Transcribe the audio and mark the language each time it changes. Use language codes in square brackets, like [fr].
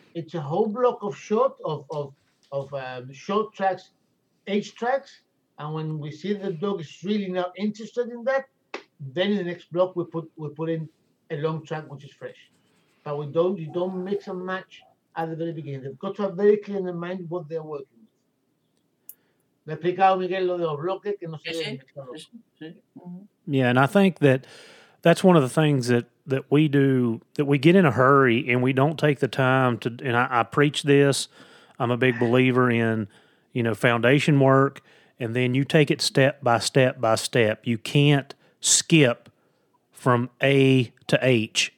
[en] It's a whole block of short tracks, age tracks. And when we see the dog is really not interested in that, then in the next block we put in a long track which is fresh. But you don't mix and match at the very beginning. They've got to have very clear in their mind what they're working with. [es] Me explicado, Miguel, lo de los bloques que no se ve. [en] Yeah, and I think that's one of the things that we do, that we get in a hurry and we don't take the time to, and I preach this, I'm a big believer in, you know, foundation work, and then you take it step by step by step. You can't skip from A to H.